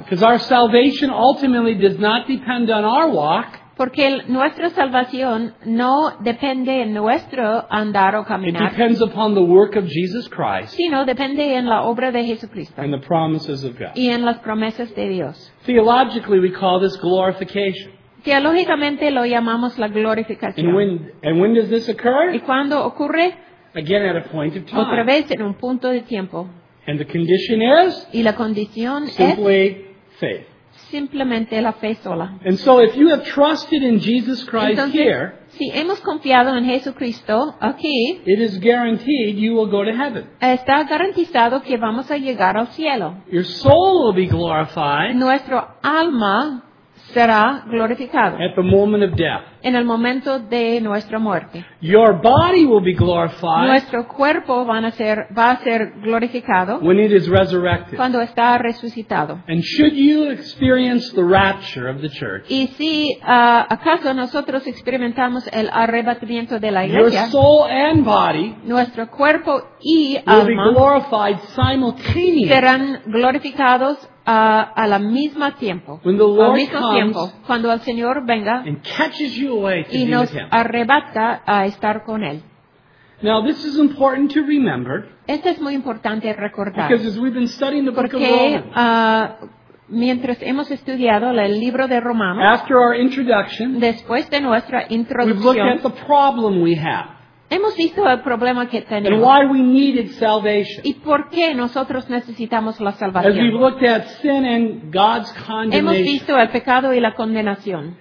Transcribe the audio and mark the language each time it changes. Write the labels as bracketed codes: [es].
[en] Because our salvation ultimately does not depend on our walk. [es] Porque nuestra salvación no depende en nuestro andar o caminar. [en] It depends upon the work of Jesus Christ. [es] Sino depende en la obra de Jesucristo. [en] And the promises of God. [es] Y en las promesas de Dios. [en] Theologically, we call this glorification. [es] Teológicamente lo llamamos la glorificación. [en] And when does this occur? [es] ¿Y cuándo ocurre? [en] Again at a point of time. [es] Otra vez en un punto de tiempo. [en] And the condition is? [es] Y la condición [en] simply [es] es [en] faith. [es] Simplemente la fe sola. [en] And so if you have trusted in Jesus Christ, [es] entonces, [en] here, [es] si hemos confiado en Jesucristo aquí, [en] it is guaranteed you will go to heaven. [es] Está garantizado que vamos a llegar al cielo. [en] Your soul will be glorified. [es] Nuestro alma será glorificado. [en] At the moment of death. [es] En el momento de nuestra muerte. [en] Your body will be glorified. [es] Nuestro cuerpo va a ser glorificado. [en] When it is resurrected. [es] Cuando está resucitado. [en] And should you experience the rapture of the church. [es] Y si acaso nosotros experimentamos el arrebatamiento de la iglesia. [en] Your soul and body. [es] Nuestro cuerpo y alma. [en] Will be glorified simultaneously. [es] Serán glorificados a la misma tiempo. [en] When the Lord [es] mismo [en] comes [es] tiempo, cuando el Señor venga [en] and catches you away to [es] y nos arrebata a estar con Él. [en] Now, this is important to remember, [es] esto es muy importante recordar [en] because as we've been studying the [es] porque [en] book of Romans, [es] mientras hemos estudiado el libro de Romanos [en] after our introduction, [es] después de nuestra introducción [en] we've looked at the problem we have. [es] Hemos visto el problema que tenemos. [en] And why we needed salvation. [es] ¿Y por qué nosotros necesitamos la salvación? [en] As we looked at sin and God's condemnation. [es] Hemos visto el pecado y la condenación.